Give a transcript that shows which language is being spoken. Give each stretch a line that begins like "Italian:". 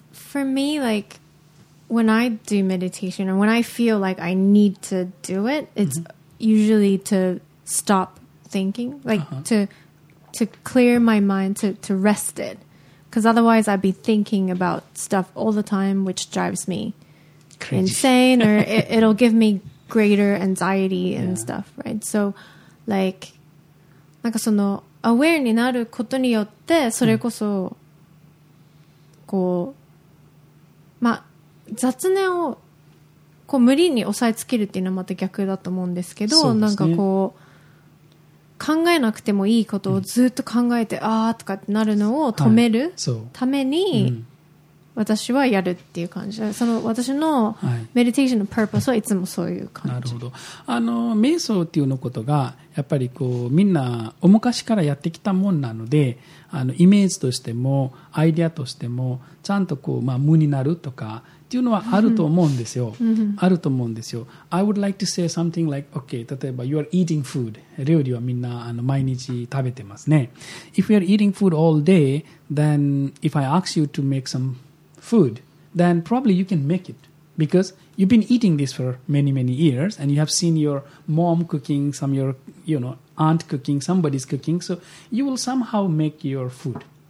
English: For me, like when I do meditation or when I feel like I need to do it, it's usually to stop thinking, like to clear my mind, to rest it. because otherwise I'd be thinking about stuff all the time, which drives me crazy. Insane, or it'll give me greater anxiety and yeah. stuff, right? So, like, aware
Japanese: になることによってそれこそ、こう、まあ、雑念をこう無理に抑えつけるっていうのはまた逆だと思うんですけど、そうですね、なんかこう考えなくてもいいことをずっと考えて、うん、あーとかってなるのを止めるために私はやるっていう感じ、はい、その私のメディテーションのパーパスはいつもそういう感じ。なるほど。瞑想っていうのことがやっぱりこうみんなお昔からやってきたもんなので、イメージとしてもアイデアとしてもちゃんとこう、まあ、無になるとかっていうのはあると思うんですよ、うんうん、あると思うんですよ。
English: I would like to say something like okay, 例えば You are eating food.
Japanese: 料理はみんな毎日食べてますね。
English: If you are eating food all day, then if I ask you to make some food, then probably you can make it because you've been eating this for many many years and you have seen your mom cooking some, your you know, aunt cooking, somebody's cooking, so you will somehow make your food.